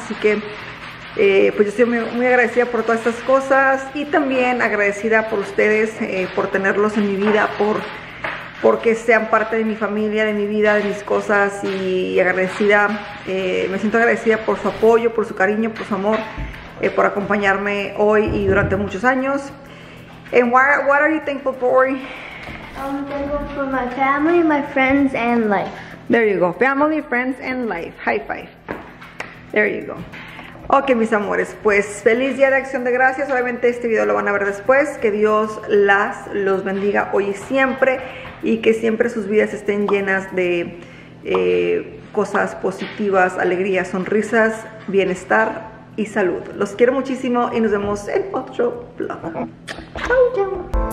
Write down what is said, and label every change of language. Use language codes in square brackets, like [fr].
[es] Así que pues yo estoy muy, muy agradecida por todas estas cosas y también agradecida por ustedes, por tenerlos en mi vida, por porque sean parte de mi familia, de mi vida, de mis cosas, y agradecida, me siento agradecida por su apoyo, por su cariño, por su amor, por acompañarme hoy y durante muchos años. [en] And what are you thankful for? I'm thankful for my family, my friends, and life. There you go, family, friends, and life. High five. There you go. [es] Ok, mis amores, pues feliz día de Acción de Gracias. Obviamente este video lo van a ver después. Que Dios los bendiga hoy y siempre. Y que siempre sus vidas estén llenas de cosas positivas, alegría, sonrisas, bienestar y salud. Los quiero muchísimo y nos vemos en otro vlog. Chau, chau.